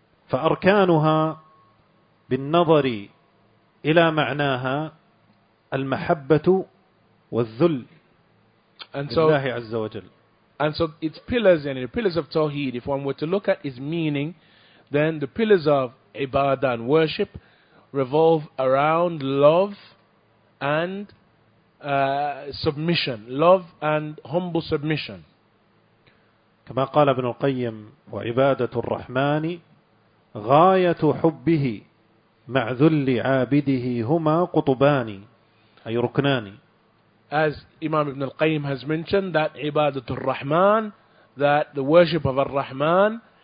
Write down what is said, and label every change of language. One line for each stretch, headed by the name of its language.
Arabic: فأركانها بالنظر إلى معناها المحبة والذل لله عز وجل.
English: And so its pillars, and the pillars of Tawheed, if one were to look at its meaning, then the pillars of Ibadah and worship revolve around love and submission. Love and humble submission.
Arabic: كما قال ابن القيم وعبادة الرحمن غاية حبه مع ذل عابده هما قطبان أي ركنان.
English: As Imam Ibn al-Qayyim has mentioned that Ibadatul Rahman, that the worship of Ar-Rahman